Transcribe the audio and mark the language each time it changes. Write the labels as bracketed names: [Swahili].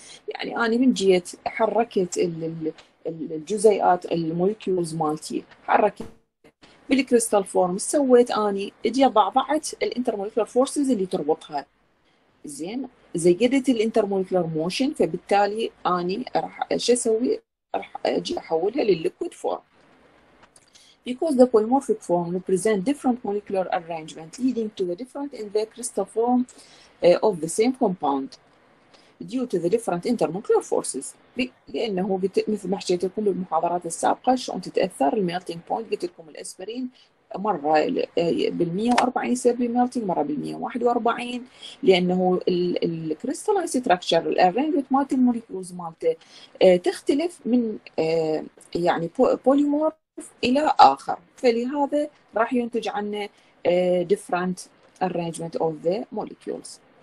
[Arabic] يعني انا من جيت حركت الجزيئات الموليكيولز مالتي، حركت بالكريستال فورم، سويت اني اجي ضعضعت الانترموليكولار فورسز اللي تربطها، زين زيدت الانترموليكولار موشن، فبالتالي اني راح شو اسوي؟ راح اجي احولها للليكويد فورم. [English] Because the polymorphic form represent different molecular arrangement leading to the different in the crystal form of the same compound due to the different intermolecular forces. [Arabic] لانه مثل ما حكيت لكم بالمحاضرات السابقه شلون تتاثر الميلتنج بوينت، قلت لكم الاسبرين مره بال 140 يصير بميلتنج، مره بال 141، لانه الكريستالين ستراكشر الارينجمنت مالت الموليكولز مالته تختلف من يعني بوليمورف الى اخر، فلهذا راح ينتج عنه [English] different arrangement of the molecules.